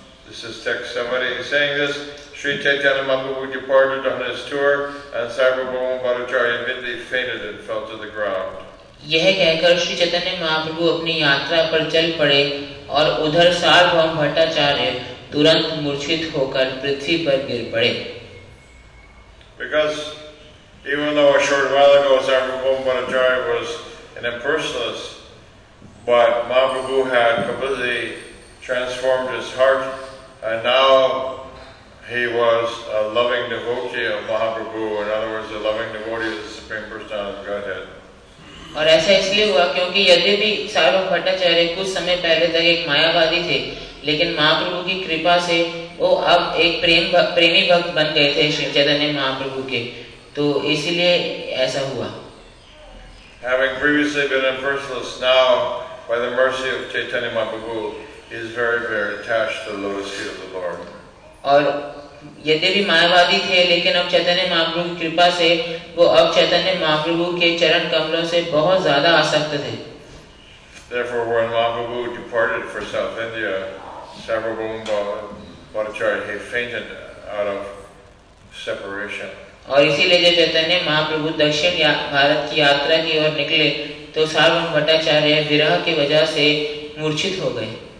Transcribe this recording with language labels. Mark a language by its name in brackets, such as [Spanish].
[English] This is text summary saying this. Sri Chaitanya Mahaprabhu departed on his tour and Sarvabhauma Bhattacharya immediately fainted and fell to the ground. [Hindi] यह कहकर श्री चैतन्य महाप्रभु अपनी यात्रा पर चल पड़े और उधर सार्वभौम भट्टाचार्य तुरंत मूर्छित होकर पृथ्वी पर गिर पड़े. [English] Because even though a short while ago Sarvabhauma Bhattacharya was an impersonalist, but Mahaprabhu had completely transformed his heart and now he was a loving devotee of Mahaprabhu, in other words, a loving devotee of the Supreme Personality of Godhead. [Hindi] और ऐसा इसलिए हुआ क्योंकि यद्यपि सार्वभौम भट्टाचार्य कुछ समय पहले तक एक मायावादी थे लेकिन महाप्रभु की कृपा से वो अब एक प्रेमी भक्त बन गए थे श्री चैतन्य महाप्रभु के तो इसलिए ऐसा हुआ. [English] Having previously been impersonalist, now by the mercy of Chaitanya Mahaprabhu he is very very attached to the lotus feet of the Lord. [Hindi] और यद्यपि मायावादी थे लेकिन अब चैतन्य महाप्रभु की कृपा से वो अब चैतन्य महाप्रभु के चरण कमलों से बहुत ज्यादा आसक्त थे. [English] Therefore, when Mahaprabhu departed for South India, Sarvabhauma Bhattacharya, he fainted out of separation. [Hindi] और इसीलिए जब चैतन्य महाप्रभु दक्षिण भारत की यात्रा की ओर निकले तो सार्वभौम भट्टाचार्य विरह की वजह से मूर्छित हो गए.